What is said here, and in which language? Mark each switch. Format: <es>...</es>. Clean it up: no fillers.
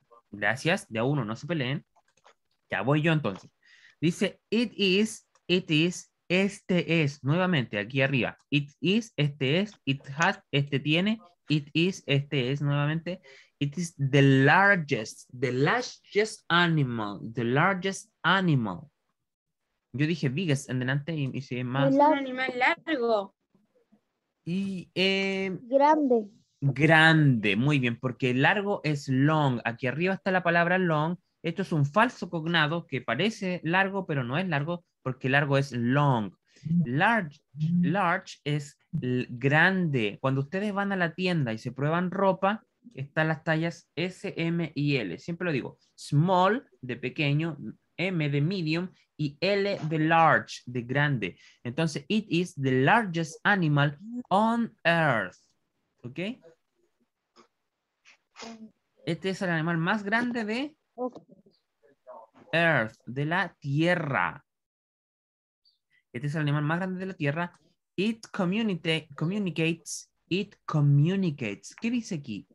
<es>Gracias, de a uno, no se peleen. Ya voy yo entonces. Dice,</es> <en>it is,</en> <es>este es, nuevamente, aquí arriba.</es> <en>It is,</en> <es>este es,</es> <en>it has,</en> <es>este tiene,</es> <en>it is,</en> <es>este es, nuevamente.</es> <en>It is the largest animal, the largest animal.</en> <es>Yo dije biggest en delante y se llama... Un animal largo. Y... grande. Grande, muy bien, porque largo es long. Aquí arriba está la palabra long. Esto es un falso cognado que parece largo, pero no es largo, porque largo es long. Large, large es grande. Cuando ustedes van a la tienda y se prueban ropa, están las tallas S, M y L. Siempre lo digo, small, de pequeño, M de medium, y L de large, de grande.</es> <en>Entonces, it is the largest animal on earth. ¿Ok?</en> <es>Este es el animal más grande de Earth, de la Tierra. Este es el animal más grande de la Tierra.</es> <en>It communicates. It communicates.</en> <es>¿Qué dice aquí?</es>